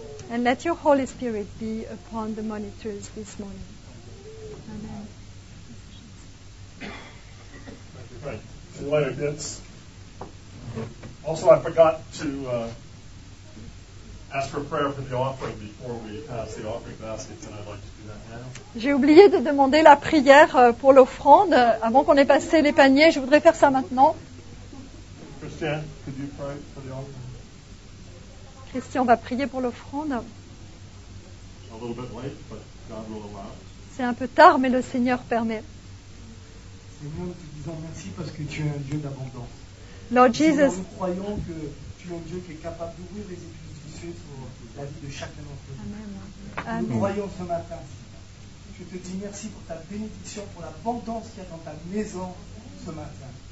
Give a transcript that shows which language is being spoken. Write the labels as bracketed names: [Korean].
[English] And let your Holy Spirit be upon the monitors this morning. Amen. Thank you, Frank. See you later, kids. Also, I forgot to ask for prayer for the offering before we pass the offering baskets, and I'd like to do that now. [French] J'ai oublié de demander la prière pour l'offrande avant qu'on ait passé les paniers. Je voudrais faire ça maintenant. [English] Christian, could you pray for the offering? [French] Christian va prier pour l'offrande. [English] A little bit late, but God will allow. [French] C'est un peu tard, mais le Seigneur permet. Seigneur, nous te disons merci parce que tu es un Dieu d'abondance. [English] Lord Jesus, [French] nous croyons que tu es un Dieu qui est capable d'ouvrir les écluses du ciel sur la vie de chacun d'entre nous. Amen. Nous croyons ce matin. Je te dis merci pour ta bénédiction, pour l'abondance qu'il y a dans ta maison ce matin.